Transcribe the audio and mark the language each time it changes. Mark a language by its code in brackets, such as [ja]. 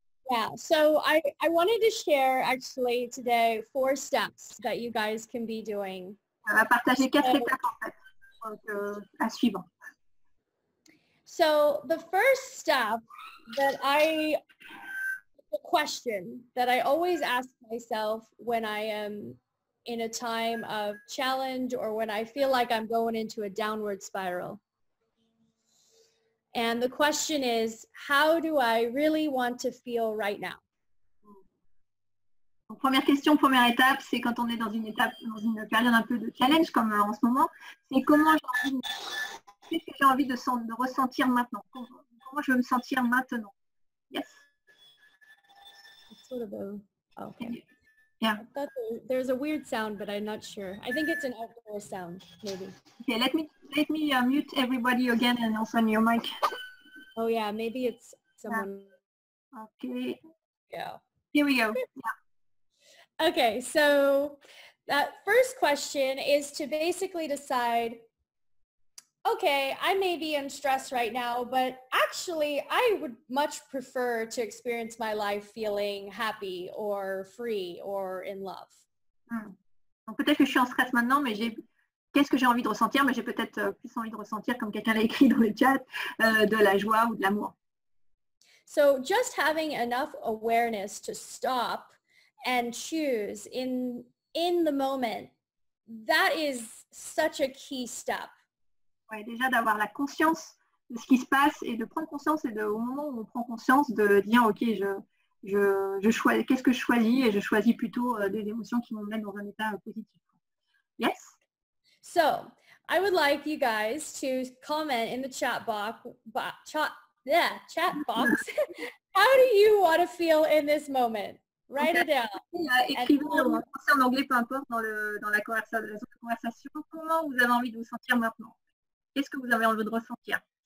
[en] Yeah, so I wanted to share actually today 4 steps that you guys can be doing. [fr] On va partager 4 étapes en fait, à suivre. [en] So the first step that the question that I always ask myself when I am in a time of challenge or when I feel like I'm going into a downward spiral. And the question is, how do I really want to feel right now? [fr] Donc, première question, première étape, c'est quand on est dans une période un peu de challenge comme en ce moment, c'est comment j'en vis. Qu'est-ce que j'ai envie de ressentir maintenant? Comment je veux me sentir maintenant? Yes. [en] It's sort of a... Okay. Yeah. I thought there's a weird sound, but I'm not sure. I think it's an outdoor sound, maybe. Okay, let me mute everybody again and also on your mic. Oh, yeah, maybe it's someone... Okay. Yeah. Here we go. Yeah. Okay, so that first question is to basically decide... Okay, I may be in stress right now, but actually I would much prefer to experience my life feeling happy or free or in love. [fr] Donc peut-être que je suis en stress maintenant, mais qu'est-ce que j'ai envie de ressentir? Mais j'ai peut-être plus envie de ressentir, comme quelqu'un l'a écrit dans le chat, de la joie ou de l'amour. [en] So just having enough awareness to stop and choose in the moment, that is such a key step. [fr] Ouais, déjà d'avoir la conscience de ce qui se passe et de prendre conscience et de, au moment où on prend conscience, de dire ok, je choisis, qu'est-ce que je choisis, et je choisis plutôt des émotions qui m'emmènent dans un état positif. [en] Yes? So, I would like you guys to comment in the chat box, how do you want to feel in this moment? Write it down. [fr] Écrivez en anglais, peu importe, dans la conversation, comment vous avez envie de vous sentir maintenant. Qu'est-ce que vous avez envie de ressentir?